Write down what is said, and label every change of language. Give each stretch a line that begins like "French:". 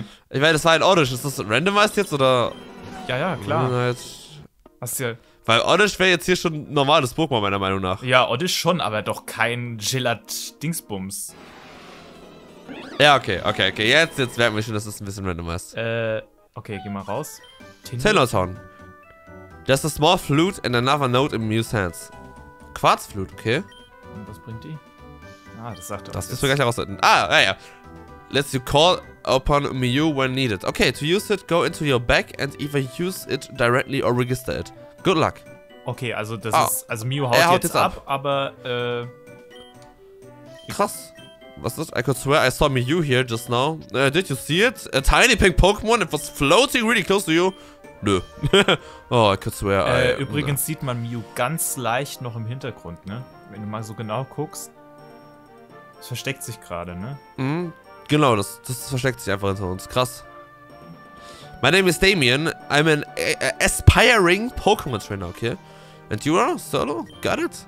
German: Ich meine, das war ein Audition. Ist das randomized jetzt, oder? Ja, klar. Moonlight. Was ist hier? Weil Oddish wäre jetzt hier schon ein normales Pokémon, meiner Meinung nach. Ja, Oddish schon, aber doch kein Gillard-Dingsbums. Ja, okay. Jetzt merken wir schon, dass das ein bisschen random ist. Okay, geh mal raus. Tenoton.
English: There's a small flute and another note in Mew's hands.
German: Quarzflute, okay. Und was bringt die? Ah, das sagt er. Das müssen wir gleich herausfinden. Ah, ja, ja.
English: Let's you call upon Mew when needed. Okay, to use it, go into your bag and either use it directly or register it. Good luck.
German: Okay, also das ist... Also Mew haut jetzt ab, aber... Krass. Was ist das?
English: I could swear I saw Mew here just now. Did you see it? A tiny pink Pokemon that was floating really close to you.
German: Nö.
English: Oh, I could swear
German: Übrigens sieht man Mew ganz leicht noch im Hintergrund, ne? Wenn du mal so genau guckst. Es versteckt sich gerade, ne? Mhm. Genau, das versteckt sich einfach hinter uns. Krass.
English: My name is Damien. I'm an aspiring Pokemon Trainer, okay? And you are solo? Got it?